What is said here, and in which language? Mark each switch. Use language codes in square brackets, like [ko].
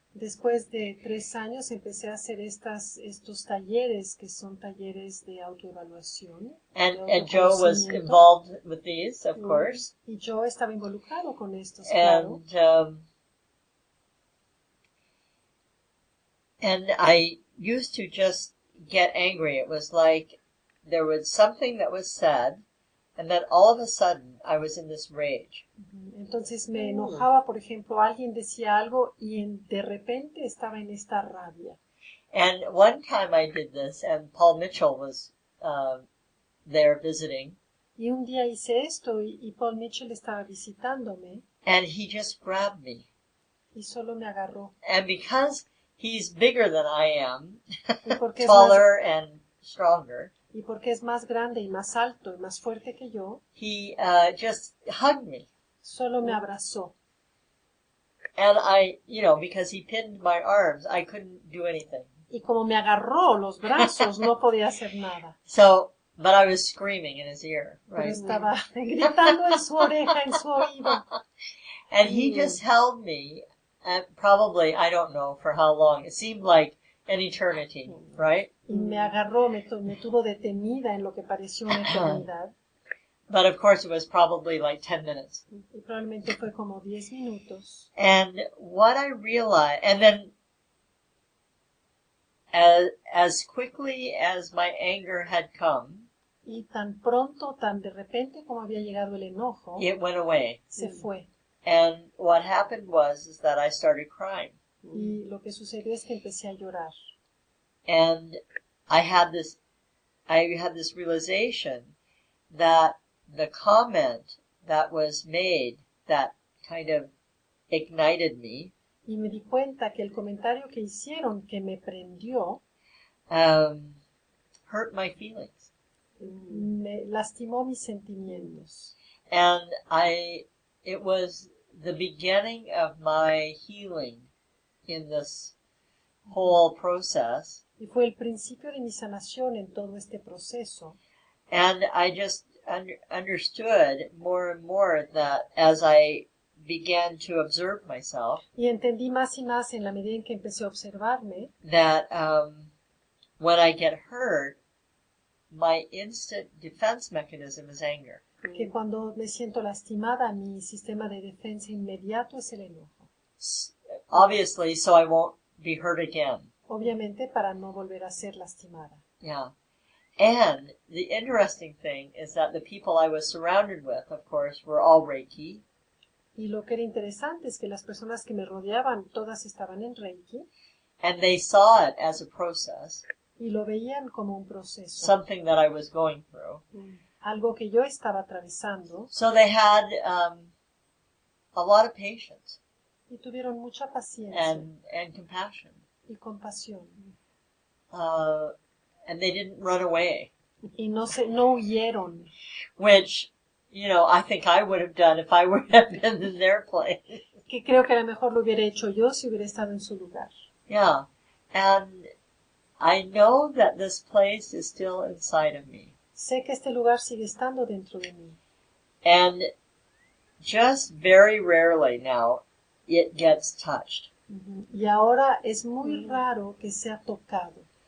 [es] Después de 3 años, empecé a hacer estos talleres que son talleres de autoevaluación. [en] And Joe was involved with these, of course. [es] Y Joe estaba involucrado con estos, claro. [en] And I used to just get angry. It was like there was something that was said, and then all of a sudden I was in this rage. [es] Entonces me enojaba, por ejemplo, alguien decía algo y de repente estaba en esta rabia. [en] And one time I did this, and Paul Mitchell was there visiting. [es] Y un día hice esto y Paul Mitchell estaba visitándome. [en] And he just grabbed me. [es] Y solo me agarró. [en] And because he's bigger than I am, taller and stronger. [es] Y porque es más grande y más alto y más fuerte que yo. [en] He just hugged me. [es] Solo me abrazó. [en] And I, you know, because he pinned my arms, I couldn't do anything. [es] Y como me agarró los brazos, no podía hacer nada. [en] So, but I was screaming in his ear, right? [es] Pero estaba gritando en su oreja, en su oído. [en] And he just held me. And probably, I don't know for how long. It seemed like an eternity, right? [es] Y me agarró, me tuvo detenida en lo que pareció una eternidad. [en] But of course it was probably like 10 minutes. [es] Y probablemente fue como 10 minutos. [en] And what I realized, and then as quickly as my anger had come, [es] y tan pronto, tan de repente como había llegado el enojo, [en] it went away. [es] Se fue. [en] And what happened was is that I started crying. [es] Y lo que sucedió es que empecé a llorar. [en] And I had this realization that the comment that was made that kind of ignited me. [es] Y me di cuenta que el comentario que hicieron que me prendió [en] hurt my feelings. [es] Me lastimó mis sentimientos. [en] And it was the beginning of my healing in this whole process. [es] Y fue el principio de mi sanación en todo este proceso. [en] And I just understood more and more that as I began to observe myself. [es] Y entendí más y más en la medida en que empecé a observarme. [en] That when I get hurt, my instant defense mechanism is anger. [es] Que cuando me siento lastimada, mi sistema de defensa inmediato es el enojo. [en] Obviously, so I won't be hurt again. [es] Obviamente, para no volver a ser lastimada. [en] Yeah. And the interesting thing is that the people I was surrounded with, of course, were all Reiki. [es] Y lo que era interesante es que las personas que me rodeaban, todas estaban en Reiki. [en] And they saw it as a process. [es] Y lo veían como un proceso. [en] Something that I was going through. [es] Algo que yo estaba atravesando. [en] So they had a lot of patience. [es] Y tuvieron mucha paciencia. [en] And compassion. [es] Y compasión. [en] And they didn't run away. [es] Y no huyeron. [en] Which, you know, I think I would have done if I would have been in their place. [es] Que creo que a lo mejor lo hubiera hecho yo si hubiera estado en su lugar. [en] Yeah. And I know that this place is still inside of me. [es] Sé que este lugar sigue estando dentro de mí. [en] And just very rarely now it gets touched. Mm-hmm. [es] Y ahora es muy raro que sea tocado.